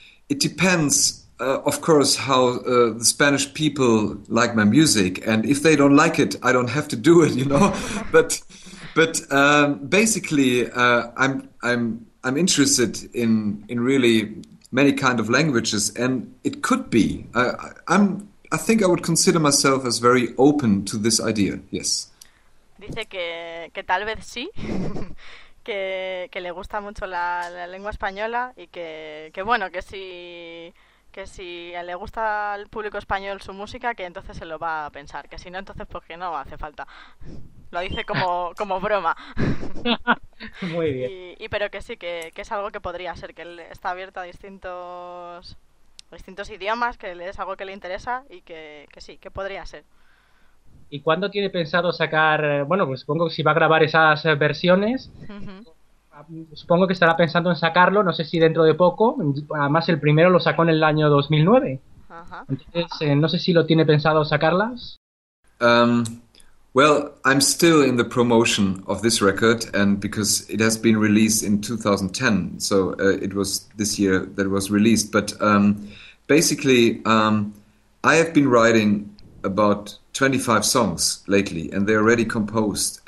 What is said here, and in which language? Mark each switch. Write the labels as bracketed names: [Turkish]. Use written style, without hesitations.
[English] It depends, of course, how the Spanish people like my music, and if they don't like it, I don't have to do it, you know. But basically, I'm interested in really many kind of languages, and it could be. I think I would consider myself as very open to this idea. Yes. [Spanish] Dice que tal vez sí, que le gusta mucho la lengua española y que bueno, que si le gusta al público español su música, que entonces se lo va a pensar, que si no, entonces pues que no hace falta. Lo dice como broma. Muy bien. Y pero que sí, que es algo que podría ser, que él está abierto a distintos idiomas, que es algo que le interesa y que sí, que podría ser. ¿Y cuándo tiene pensado sacar? Bueno, pues supongo que si va a grabar esas versiones, supongo que estará pensando en sacarlo, no sé si dentro de poco. Además, el primero lo sacó en el año 2009. Entonces, no sé si lo tiene pensado sacarlas. [English] Well, I'm still in the promotion of this record, and because it has been released in 2010, so it was this year that it was released. But basically, I have been writing about 25 songs lately, and they're already composed.